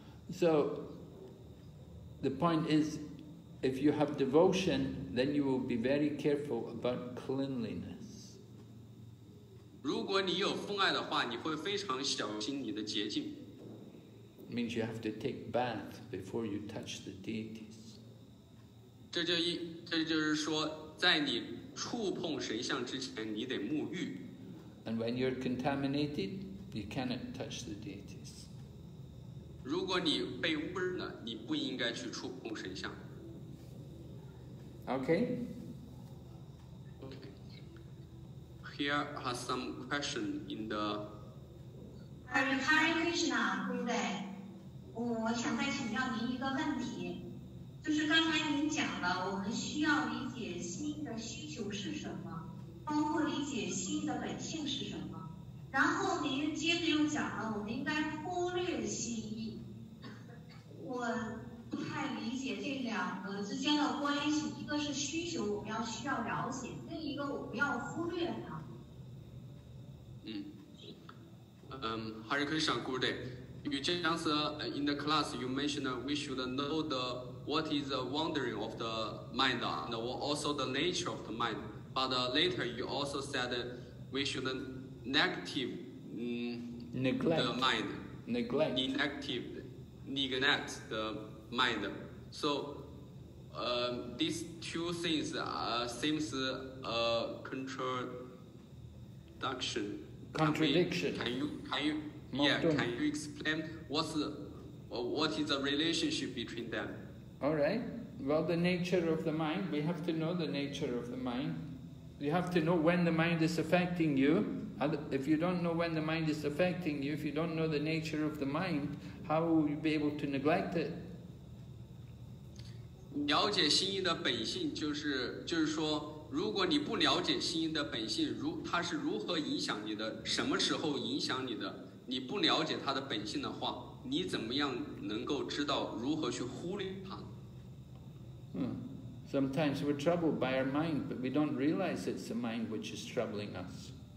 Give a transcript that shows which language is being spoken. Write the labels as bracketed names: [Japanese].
[English] So,The point is, if you have devotion, then you will be very careful about cleanliness. [Chinese] 如果你有奉爱的话，你会非常小心你的洁净。 [English] Means you have to take bath before you touch the deities. [Chinese] 这就是说，在你触碰神像之前，你得沐浴。 [English] And when you're contaminated, you cannot touch the deities. [Chinese] 如果你被污染了，你不应该去触碰神像。 [English] Okay. Okay. Here are some questions in the. [Chinese] Hare Krishna, 对不对？我想再请教您一个问题，就是刚才您讲的，我们需要理解心的需求是什么，包括理解心的本性是什么。然后您接着又讲了，我们应该忽略心。我不太理解这两个之间的关系，一个是需求我们要需要了解，另一个我们要忽略它。 [English] Hare Krishna, good day. You just answered in the class, you mentioned we should know what is the wandering of the mind and also the nature of the mind. But later you also said we should neglect the mind. Neglect. Inactive. Neglect the mind. So, these two things seems a contradiction. Contradiction. Can you explain what's What is the relationship between them? All right. Well, the nature of the mind. We have to know the nature of the mind. You have to know when the mind is affecting you. If you don't know when the mind is affecting you, if you don't know the nature of the mind, how will you be able to neglect it? [Chinese] 了解心意的本性就是说，如果你不了解心意的本性，它是如何影响你的，什么时候影响你的，你不了解它的本性的话，你怎么样能够知道如何去忽略它？ [English] Sometimes we're troubled by our mind, but we don't realize it's the mind which is troubling us.